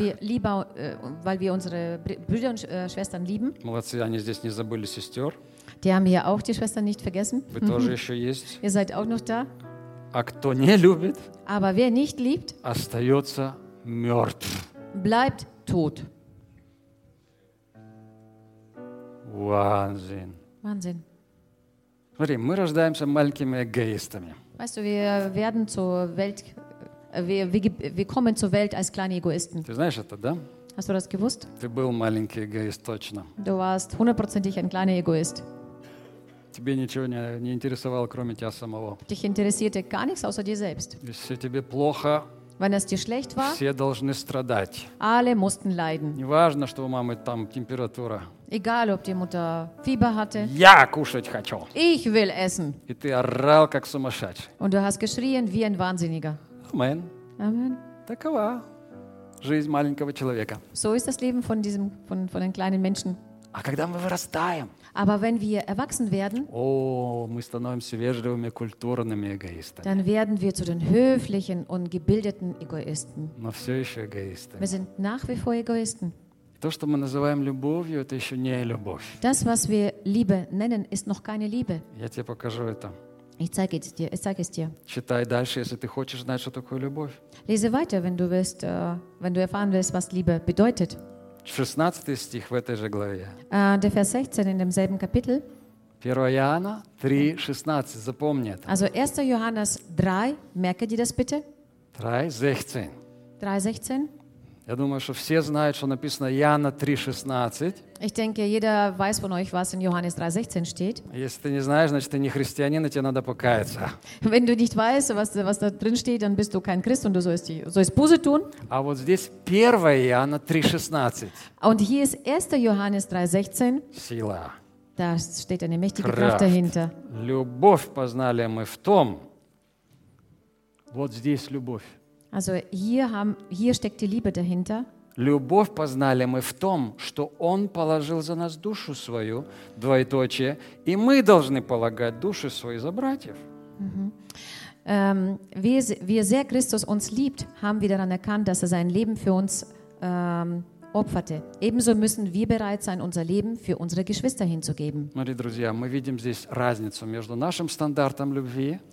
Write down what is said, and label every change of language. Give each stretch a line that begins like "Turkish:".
German: Weil wir lieber, weil wir unsere Brüder und Schwestern lieben.
Russian: Молодцы, они здесь не забыли сестер.
German: Die haben hier auch die Schwestern nicht vergessen.
Russian: Вы тоже еще есть.
German: Ihr seid auch noch da.
Russian: А кто не любит?
German: Aber wer nicht liebt?
Russian: Остается мертв.
German: Bleibt tot. Wahnsinn. Wahnsinn.
Russian: Смотри, мы рождаемся маленькими эгоистами.
German: Weißt du, wir kommen zur Welt als kleine Egoisten.
Russian: Ты знаешь это, да?
German: Hast du das gewusst?
Russian: Ты был маленький эгоист, точно.
German: Du warst hundertprozentig ein kleiner Egoist.
Russian: Тебе ничего не интересовало, кроме тебя самого.
German: Dich interessierte gar nichts außer dir selbst.
Russian: Если тебе плохо,
German: Wenn es dir schlecht war,
Russian: все должны страдать.
German: Alle mussten leiden.
Russian: Не важно, что у мамы там температура.
German: Egal, ob die Mutter Fieber hatte.
Russian: Я кушать хочу.
German: Ich will essen.
Russian: И ты орал, как сумасшедший.
German: Und du hast geschrien wie ein Wahnsinniger. Amen. Amen.
Russian: Такова жизнь маленького человека.
German: So ist das Leben von diesem von den kleinen Menschen.
Russian: А когда мы вырастаем?
German: Aber wenn wir erwachsen werden,
Russian: мы становимся вежливыми, культурными эгоистами.
German: Dann werden wir zu den höflichen und gebildeten Egoisten.
Russian: Но все еще эгоисты.
German: Wir sind nach wie vor Egoisten.
Russian: То, что мы называем любовью, это еще не любовь.
German: Das, was wir Liebe nennen, ist noch keine Liebe.
Russian: Я тебе покажу это.
German: Ich zeige es dir.
Russian: Читай дальше, если ты хочешь знать, что такое любовь.
German: Lese weiter, wenn du erfahren willst, was Liebe bedeutet.
Russian: 16 стих в этой же главе.
German: Der Vers 16 in demselben Kapitel.
Russian: 1. Johanna 3, 16. Запомни это.
German: Also 1. Johannes 3, merke dir das bitte. 3, 16.
Russian: Я думаю, что все знают, что написано Иоанна 3:16.
German: Ich denke, jeder weiß von euch, was in Johannes 3:16 steht.
Russian: Если ты не знаешь, значит ты не христианин, и тебе надо покаяться.
German: Wenn du nicht weißt, was da drin steht, dann bist du kein Christ und du sollst Buße tun.
Russian: А вот здесь 1 Иоанна 3:16.
German: Und hier ist 1. Johannes 3:16.
Russian: Сила.
German: Da steht eine мächtige Kraft dahinter.
Russian: Любовь познали мы в том. Вот здесь любовь.
German: Also hier steckt die Liebe dahinter.
Russian: Любовь познали мы в том, что Он положил за нас душу свою, двоеточие, и мы должны полагать души свои за братьев.
German: Wie sehr Christus uns liebt, haben wir daran erkannt, dass er sein Leben für uns opferte. Ebenso müssen wir bereit sein, unser Leben für unsere Geschwister hinzugeben.
Russian: Смотри, друзья, мы видим здесь разницу между нашим стандартом любви.